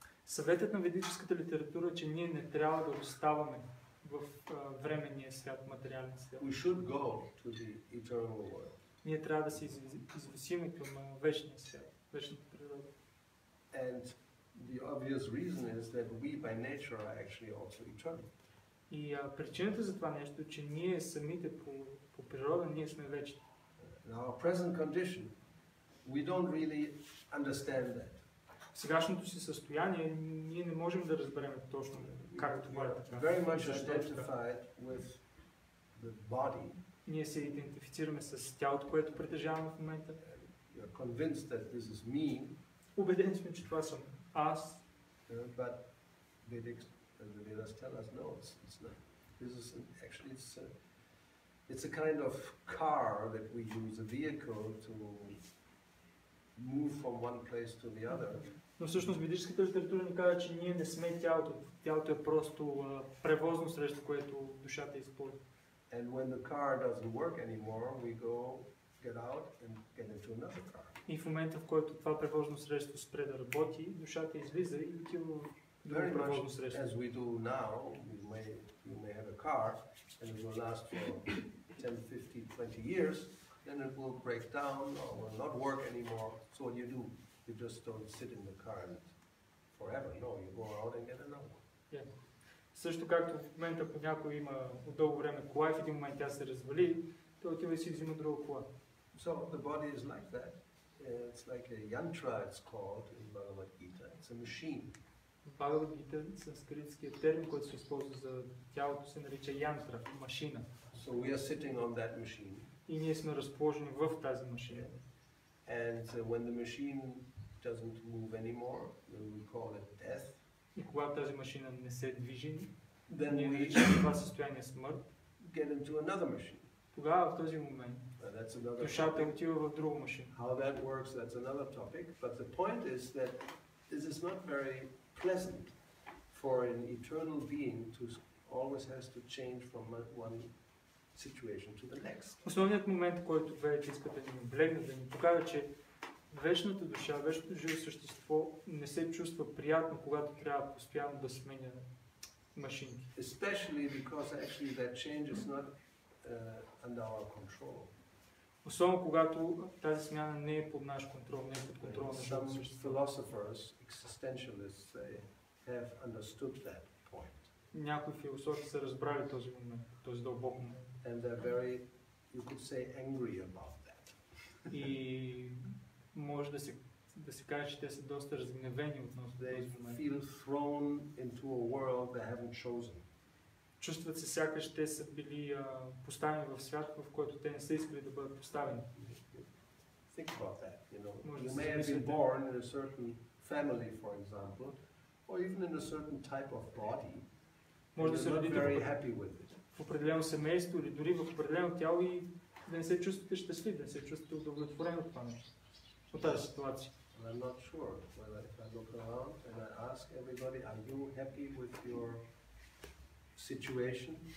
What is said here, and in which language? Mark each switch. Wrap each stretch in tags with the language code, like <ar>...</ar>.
<bg>Съветът на ведическата литература е, че ние не трябва да оставаме в временния свят, материален свят.</bg> <en>We should go to the eternal world.</en> <bg>Ние трябва да се извисим към вечния свят, вечната природа.</bg> <en>And the obvious reason is that we by nature are actually also eternal.</en> <bg>И причината за това нещо е, че ние самите по природа, ние сме вечни.</bg> <en>In our present condition, we don't really understand that.</en> <bg>В сегашното си състояние, ние не можем да разберем точно как това е така.</bg> <en>Very much identified with the body.</en> <bg>Ние се идентифицираме с тялото, което притежаваме в момента.</bg> <en>You're convinced that this is me.</en> <bg>Убеден сме, че това съм аз.</bg> <en>But Vedas tell us, no, it's not. This is an, actually it's a kind of car that we use, a vehicle to move from one place to the other.</en> <bg>Но всъщност ведическата литература ни казва, че ние не сме тялото. Тялото е просто превозно средство, което душата използва.</bg> <en>And when the car doesn't work anymore, we go get out and get into another car.</en> <bg>И в момента, в който това превозно средство спре да работи, душата излиза и отива</bg> <en>Very much</en> <bg>срещу.</bg> <en>As we do now, you may have a car and it will last for 10, 15, 20 years, then it will break down or will not work anymore. So what do? You just don't sit in the car forever. No, you go out and get another one. Yeah.</en> <bg>Също както в момента, ако някой има от дълго време кола и в един момент тя се развали, той отива и си взима друга кола.</bg> <en>So the body is like that. It's like a yantra, it's called in Bhagavad Gita. It's a machine.</en> <bg>Бхагавад Гита, санскритският термин, който се използва за тялото, се нарича янтра, машина.</bg> <en>So we are sitting on that machine.</en> <bg>И ние сме разположени в тази машина.</bg> <en>Yeah. And when the machine doesn't move anymore, then we call it death.</en> <bg>И когато тази машина не се движи,</bg> <en>then</en> <bg>ние наричаме това състояние смърт.</bg> <en>Get into another machine.</en> <bg>Тогава в този момент душата отива в друга машина.</bg> <en>How that works, that's another topic. But the point is that this is not very pleasant for an eternal being to always has to change from one situation to the next.</en> <bg>Основният момент, който вече искате да ни облегне, да ни покажа, че вечната душа, вечното живо същество не се чувства приятно, когато трябва постоянно да сменя машинки.</bg> <en>Especially because actually that change is not under our control.</en> <bg>Особено когато тази смяна не е под наш контрол, не е под контрол на живото същество.</bg> <en>Some philosophers, existentialists, have understood that point.</en> <bg>Някои философи са разбрали този момент, този дълбок момент.</bg> <en>And they're very, you could say, angry about that.</en> <bg>И може да се каже, че те са доста разгневени относно този момент.</bg> <en>They feel thrown into a world they haven't chosen.</en> <bg>Чувстват се сякаш те са били поставени в свят, в който те не са искали да бъдат поставени.</bg> <en>Think about that, you know. You may have been born in a certain family, for example, or even in a certain type of body.</en> <bg>Може да се родите в определено семейство или дори в определено тяло и да не се чувствате щастлив, да не се чувствате удовлетворен от това нещо, от тази ситуация.</bg> <en>And I'm not sure. Well, if I look around and I ask everybody, are you happy with your situation.</en>